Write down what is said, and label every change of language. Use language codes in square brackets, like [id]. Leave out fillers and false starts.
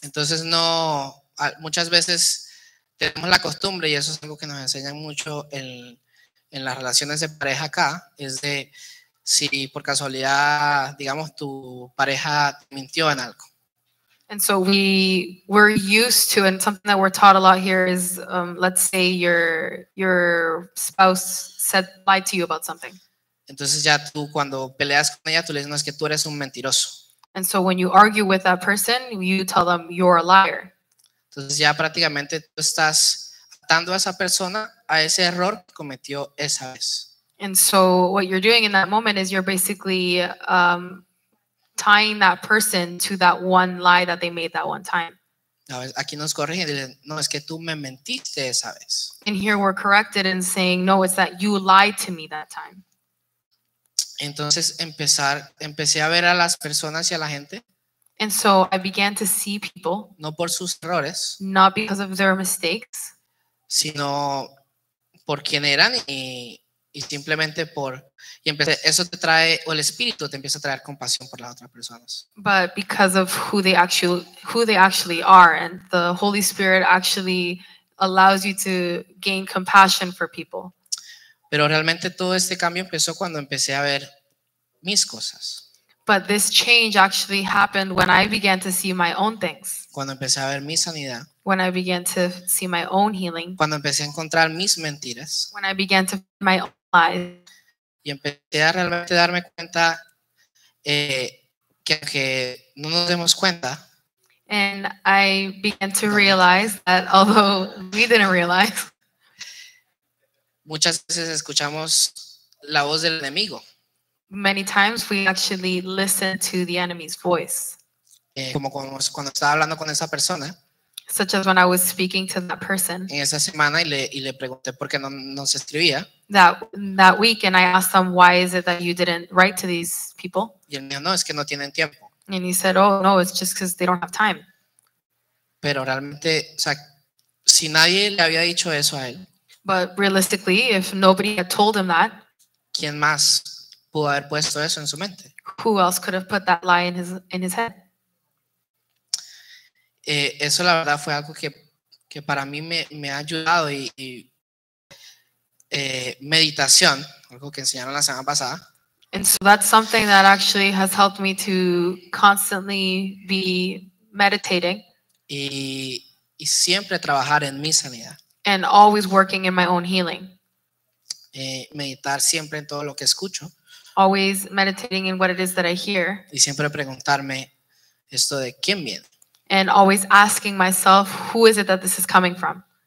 [es] Entonces, no, muchas veces tenemos la costumbre, y eso es algo que nos enseñan mucho en las relaciones de pareja acá, es de, si por casualidad, digamos, tu pareja te mintió en algo. [en] And so we're used to, and something that we're taught a lot here is, let's say your spouse said lied to you about something. [es] Entonces ya tú, cuando peleas con ella, tú le dices, no, es que tú eres un mentiroso. [en] And so when you argue with that person, you tell them you're a liar. [es] Entonces ya prácticamente tú estás atando a esa persona a ese error que cometió esa vez. [en] And so what you're doing in that moment is you're basically tying that person to that one lie that they made that one time. [es] Aquí nos corrigen y dicen, no, es que tú me mentiste esa vez. [en] And here we're corrected in saying, no, it's that you lied to me that time. [es] Entonces empecé a ver a las personas y a la gente. [en] And so I began to see people. [es] No por sus errores. [en] Not because of their mistakes. [es] Sino por quién eran y simplemente por. Y empecé, eso te trae, o el espíritu te empieza a traer compasión por las otras personas. [en] But because of who they actually are, and the Holy Spirit actually allows you to gain compassion for people. [es] Pero realmente todo este cambio empezó cuando empecé a ver mis cosas. [en] But this change actually happened when I began to see my own things. [es] Cuando empecé a ver mi sanidad. [en] When I began to see my own healing. [es] Cuando empecé a encontrar mis mentiras. [en] When I began to find my own lies. [es] Y empecé a realmente darme cuenta que aunque no nos demos cuenta. [en] And I began to realize that although we didn't realize. [es] Muchas veces escuchamos la voz del enemigo. [en] Many times we actually listen to the enemy's voice. [es] Como cuando estaba hablando con esa persona. [en] Such as when I was speaking to that person. [es] En esa semana y le pregunté por qué no se escribía. [en] That week, and I asked them, why is it that you didn't write to these people? [es] Y él dijo, no, es que no tienen tiempo. [en] And he said, oh no, it's just because they don't have time. [es] Pero realmente, o sea, si nadie le había dicho eso a él. [en] But realistically, if nobody had told him that, [es] ¿quién más pudo haber puesto eso en su mente? [en] Who else could have put that lie in his head? [es] Eso la verdad fue algo que para mí me ha ayudado y meditación, algo que enseñaron la semana pasada. [en] And so that's something that actually has helped me to constantly be meditating. [es] Y siempre trabajar en mi sanidad. [en] And always working in my own healing. [es] meditar siempre en todo lo que escucho. [en] Always meditating in what it is that I hear. [es] Y siempre preguntarme esto de quién viene. [en] And always asking myself, who is it that this is coming from?